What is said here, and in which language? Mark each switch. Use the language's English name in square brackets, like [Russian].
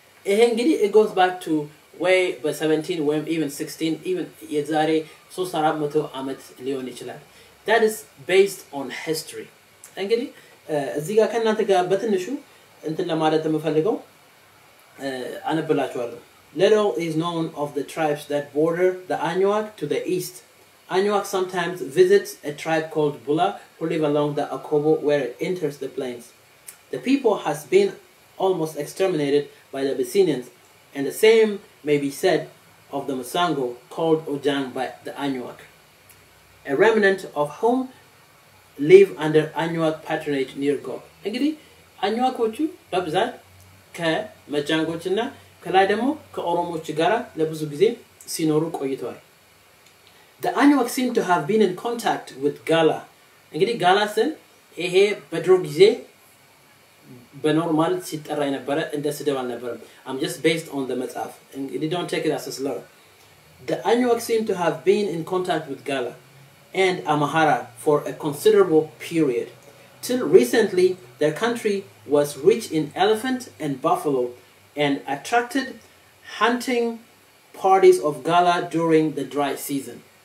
[Amharic] ይሄ እንግዲህ [English] it goes back to way but 17 when even 16 even [Amharic] የዛሬ 3400 ዓመት ሊሆን ይችላል። [English] that is based on history [Amharic] እንግዲህ እዚህ ጋር ከእናንተ ጋር በትንሹ እንትን ለማለት የምፈልገው አነብላችኋለሁ። [English] Little is known of the tribes that border the Anyuak to the east. Anyuak sometimes visits a tribe called Bula who live along the Akobo where it enters the plains. The people has been almost exterminated by the Abyssinians, and the same may be said of the Musango called Ojang by the Anyuak, a remnant of whom live under Anyuak patronage near Gob. [Amharic] እንግዲህ አኝዋኮቹ በብዛት ከመጃንጎችና ከላይ ደግሞ ከኦሮሞች ጋር ለብዙ ጊዜ ሲኖሩ ቆይተዋል። [English] The Anyuak seem to have been in contact with Gala. [Amharic] እንግዲህ ጋላስን ይሄ በድሮ ጊዜ በኖርማል ሲጠራ የነበረ እንደ ስደብ አልነበረ። [English] I'm just based on the Mazaf. And you don't take it as a slur. The Anyuak seem to have been in contact with Gala and Amhara for a considerable period. Till recently, their country was rich in elephant and buffalo and attracted hunting parties of Gala during the dry season.